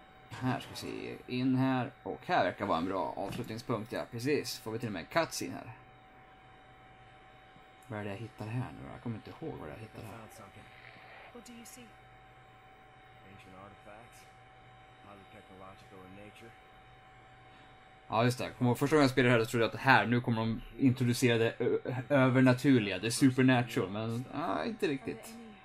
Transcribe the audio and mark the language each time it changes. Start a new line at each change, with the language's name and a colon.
Swedish: Här ska vi se. In här. Och här verkar vara en bra avslutningspunkt. Ja, precis. Får vi till och med en cutscene här. Vad är det jag hittar här nu? Jag kommer inte ihåg vad jag hittar här.
English: What do you see? Ancient artifacts. Highly technological in nature.
Swedish: Ja, just det. Första gången jag spelade här så trodde jag att här, nu kommer de introducera det övernaturliga, det supernatural, men inte riktigt.